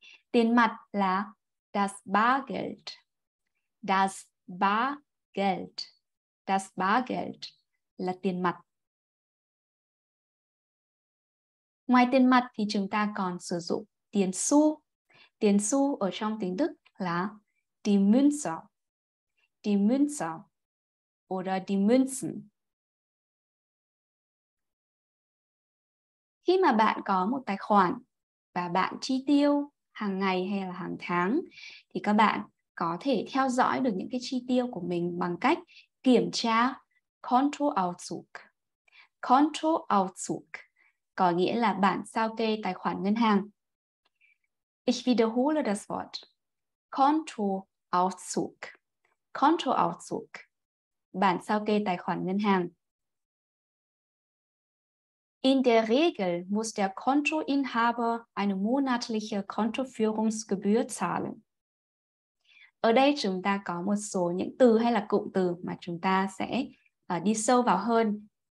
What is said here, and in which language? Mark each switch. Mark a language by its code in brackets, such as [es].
[vi] Tiền mặt là [de] das Bargeld. Das Bargeld. Geld. [vi] Das Bargeld là tiền mặt. Ngoài tiền mặt thì chúng ta còn sử dụng tiền xu. Tiền xu ở trong tiếng Đức là die Münze. [de] Die Münze oder die Münzen. [vi] Khi mà bạn có một tài khoản và bạn chi tiêu hàng ngày hay là hàng tháng thì các bạn có thể theo dõi được những cái chi tiêu của mình bằng cách kiểm tra Kontoauszug. Kontoauszug có nghĩa là bản sao kê tài khoản ngân hàng. [de] Ich wiederhole das Wort. Kontoauszug. Kontoauszug. [vi] Bản sao kê tài khoản ngân hàng. [de] In der Regel muss der Kontoinhaber eine monatliche Kontoführungsgebühr zahlen. [vi] Ở đây chúng ta có một số những từ hay là cụm từ mà chúng ta sẽ đi sâu vào hơn.